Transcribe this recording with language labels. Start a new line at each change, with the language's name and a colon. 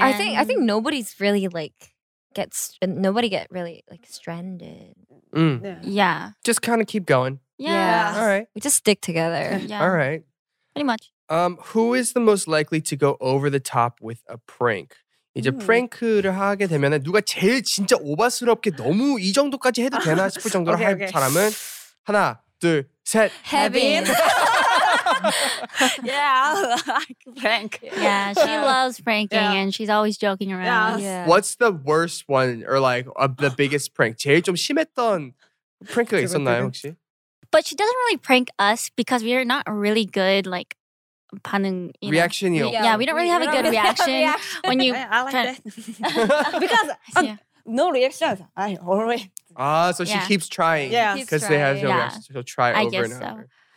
English: I think nobody's really like… stranded. Mm. Yeah. Just kind of keep going. Yeah. All right. We just stick together. Yeah. All right. Pretty much. Who is the most likely to go over the top with a prank?
Korean: 이제 프랭크를 하게 되면 누가 제일 진짜 오버스럽게 너무 이 정도까지 해도 되나 싶을 정도로 okay, 할 okay. 사람은 하나, 둘, 셋.
English: Heaven. Yeah, I like prank. Yeah, she loves pranking and she's always joking around. Yeah. What's the worst one or like the biggest prank?
Korean: 제일 좀 심했던 프랭크가 있었나요 혹시?
English: But she doesn't really prank us because we're not really good, like,
Korean: 반응…
English: Reaction. Yeah, we don't really have a good reaction when you… I like that. Because no reaction. I always… So she keeps trying. Yeah. Because they have no reaction. She'll try over and over.